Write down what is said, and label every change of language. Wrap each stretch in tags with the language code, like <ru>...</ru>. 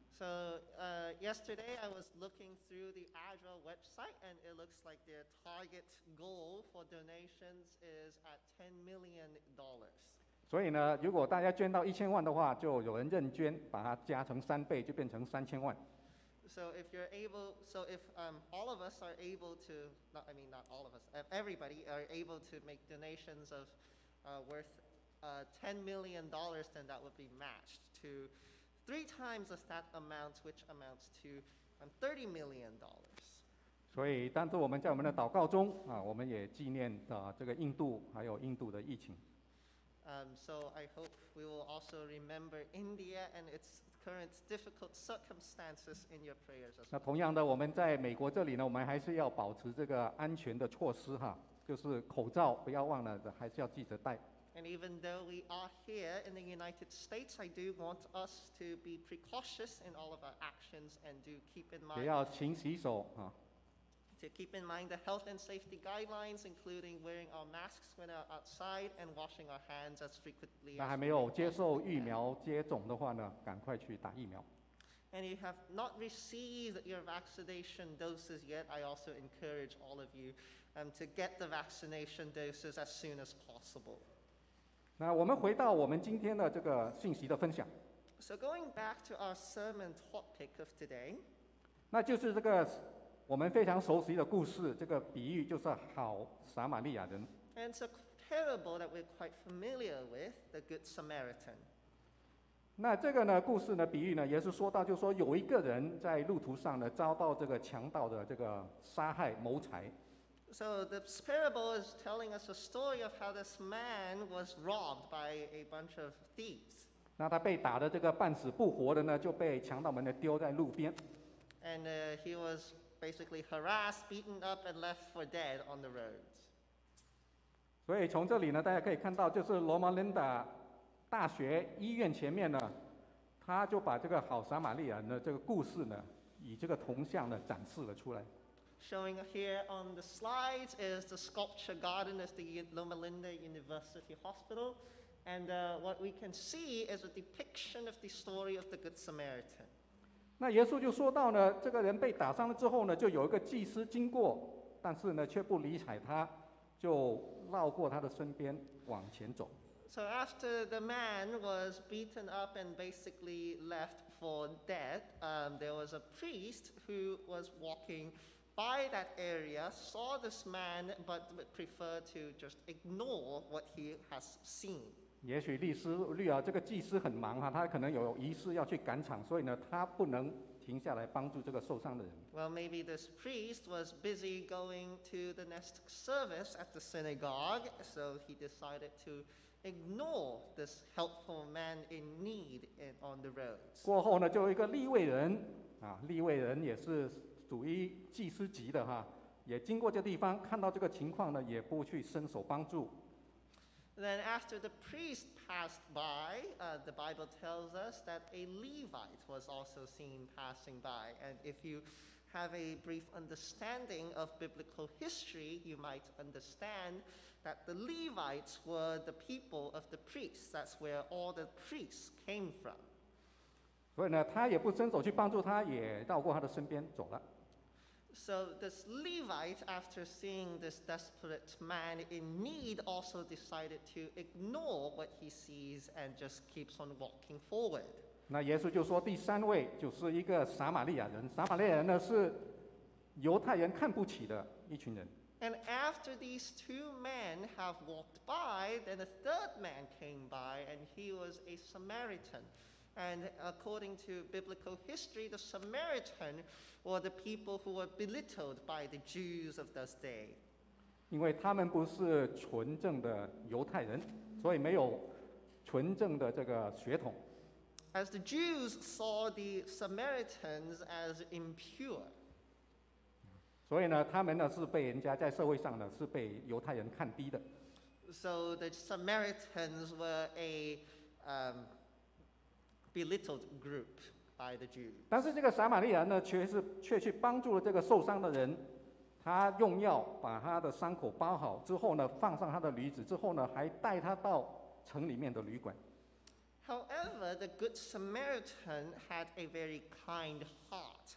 <en>So yesterday I was looking through the Adra website and it looks like their target goal for donations is at $10 million.</en> <zh>所以呢，如果大家捐到1000万的话，就有人认捐，把它加成3倍，就变成3000万。</zh> <en>So if you're able, so if all of us are able to, not, I mean not all of us, if everybody are able to make donations of worth $10 million, then that would be matched to 3 times of that amount, which amounts to $30 million.</en> <zh>所以当作我们在我们的祷告中，我们也纪念这个印度，还有印度的疫情。</zh> <en>So I hope we will also remember India and its current difficult circumstances in your prayers as well.</en> <zh>那同样的，我们在美国这里呢，我们还是要保持这个安全的措施哈，就是口罩不要忘了，还是要记得戴。</zh> <en>And even though we are here in the United States, I do want us to be precautious in all of our actions and do keep in mind.</en> <zh>也要勤洗手啊。</zh> <en>To keep in mind the health and safety guidelines, including wearing our masks when we're outside and washing our hands as frequently as we can.</en> <zh>那还没有接受疫苗接种的话呢，赶快去打疫苗。</zh> <en>And you have not received your vaccination doses yet. I also encourage all of you, to get the vaccination doses as soon as possible.</en> <zh>那我们回到我们今天的这个信息的分享。</zh> <en>So going back to our sermon topic of today.</en> <zh>那就是这个。我们非常熟悉的故事，这个比喻就是好撒玛利亚人。</zh> <en>And it's a parable that we're quite familiar with, the Good Samaritan.</en> <zh>那这个呢，故事呢，比喻呢，也是说到，就是说有一个人在路途上呢，遭到这个强盗的这个杀害谋财。</zh> <en>So the parable is telling us a story of how this man was robbed by a bunch of thieves.</en> <zh>那他被打的这个半死不活的呢，就被强盗们呢丢在路边。</zh> <en>And he was basically harassed, beaten up, and left for dead on the roads.</en> <zh>所以从这里呢，大家可以看到，就是罗马琳达大学医院前面呢，他就把这个好撒玛利亚的这个故事呢，以这个铜像呢展示了出来。</zh> <en>Showing here on the slides is the sculpture garden at the Loma Linda University Hospital, and what we can see is a depiction of the story of the Good Samaritan.</en> <zh>那耶稣就说到呢，这个人被打伤了之后呢，就有一个祭司经过，但是呢却不理睬他，就绕过他的身边往前走。</zh> <en>So after the man was beaten up and basically left for dead, there was a priest who was walking by that area, saw this man, but preferred to just ignore what he has seen.</en> <zh>也许这个祭司很忙啊，他可能有仪式要去赶场，所以呢，他不能停下来帮助这个受伤的人。</zh> <en>Well, maybe this priest was busy going to the next service at the synagogue, so he decided to ignore this helpful man in need on the roads.</en> <zh>过后呢，就一个利未人啊，利未人也是属于祭司级的哈，也经过这地方，看到这个情况呢，也不去伸手帮助。</zh> <en>Then after the priest passed by, the Bible tells us that a Levite was also seen passing by. And if you have a brief understanding of biblical history, you might understand that the Levites were the people of the priests. That's where all the priests came from.</en> <zh>所以呢，他也不伸手去帮助他，也绕过他的身边走了。</zh> <en>So this Levite, after seeing this desperate man in need, also decided to ignore what he sees and just keeps on walking forward.</en> <zh>那耶稣就说，第三位就是一个撒玛利亚人。撒玛利亚人呢是犹太人看不起的一群人。</zh> <en>And after these two men have walked by, then a third man came by, and he was a Samaritan. And according to biblical history, the Samaritan were the people who were belittled by the Jews of those days.</en> <zh>因为他们不是纯正的犹太人，所以没有纯正的这个血统。</zh> <en>As the Jews saw the Samaritans as impure.</en> <zh>所以呢，他们呢是被人家在社会上呢是被犹太人看低的。</zh> <en>So the Samaritans were a belittled group by the Jews.</en> <zh>但是这个撒玛利亚呢，却去帮助了这个受伤的人。他用药把他的伤口包好之后呢，放上他的驴子之后呢，还带他到城里面的旅馆。</zh> <en>However, the good Samaritan had a very kind heart.</en>